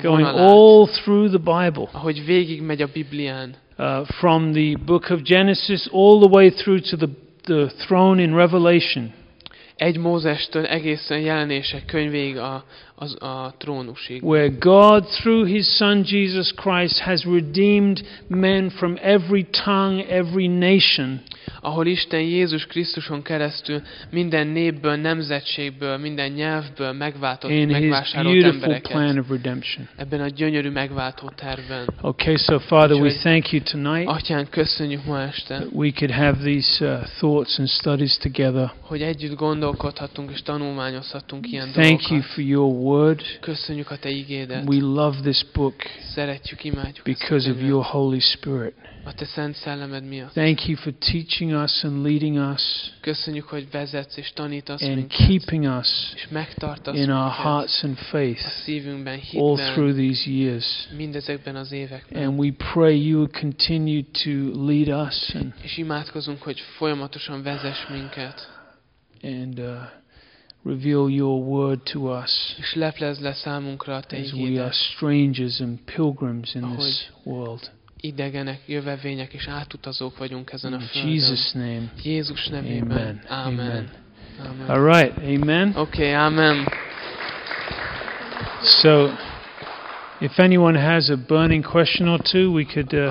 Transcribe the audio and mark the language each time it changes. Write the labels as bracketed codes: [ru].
[en] going [hu] vonalát, [en] all through the Bible, [hu] ahogy végig megy a Biblián, [en] from the book of Genesis all the way through to the throne in Revelation, [hu] egy Mózestől egészen Jelenések könyvéig a trónusig, [en] where God through His Son Jesus Christ has redeemed men from every tongue, every nation, [hu] ahol Isten Jézus Krisztuson keresztül minden népből, nemzetségből, minden nyelvből megvásárolt embereket. [en] Plan of redemption. [hu] Ebben a gyönyörű megváltó tervben. [en] Okay, so Father, we thank you tonight. [hu] Atyán, köszönjük ma este. [en] We could have these thoughts and studies together. [hu] Hogy együtt gondolkodhatunk és tanulmányozhatunk ilyen dolgokat. [en] Thank you for your word. [hu] Köszönjük a te igédet. [en] We love this book. [hu] Szeretjük, imádjuk. [en] Because of your Holy Spirit. [hu] A te Szent Szellemed miatt. [en] Thank you for teaching us and leading us. [hu] Köszönjük, hogy vezetsz és tanítasz [en] and [hu] minket. [en] Keeping us [hu] és megtartasz [en] in our hearts and faith. [hu] A szívünkben, hitben, [en] all through these years. [hu] Mindezekben az években. [en] And we pray you will continue to lead us and [hu] és imádkozunk, hogy folyamatosan vezess minket. [en] And reveal your word to us. [hu] És leplezd le számunkra a te igédet. [en] As we are strangers and pilgrims in this world. [hu] Idegenek, jövevények és átutazók vagyunk ezen a földön. [en] Jesus name. [hu] Jézus nevében. Amen. [en] Amen. Amen. All right. Amen. Okay. Amen. So, if anyone has a burning question or two, we could.